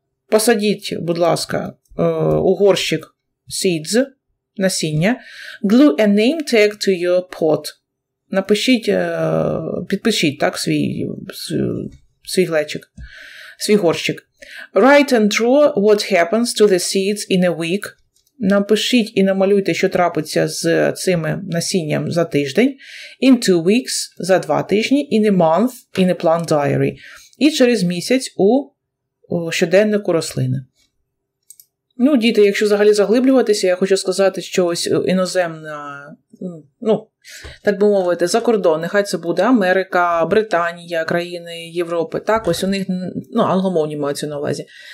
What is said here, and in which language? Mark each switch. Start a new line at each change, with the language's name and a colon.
Ukrainian: Посадіть, будь ласка, у горщик seeds, насіння.
English: Glue a name tag to your pot.
Ukrainian: Напишіть, підпишіть, так, свій глечик, свій горщик.
English: Write and draw what happens to the seeds in a week.
Ukrainian: Напишіть і намалюйте, що трапиться з цими насінням за тиждень.
English: In 2 weeks,
Ukrainian: за 2 тижні.
English: In a month, in a plant diary.
Ukrainian: І через місяць у щоденнику рослини. Ну, діти, якщо взагалі заглиблюватися, я хочу сказати, що ось іноземна, ну, так би мовити, за кордон, нехай це буде Америка, Британія, країни Європи, так, ось у них, ну, англомовні мають на увазі,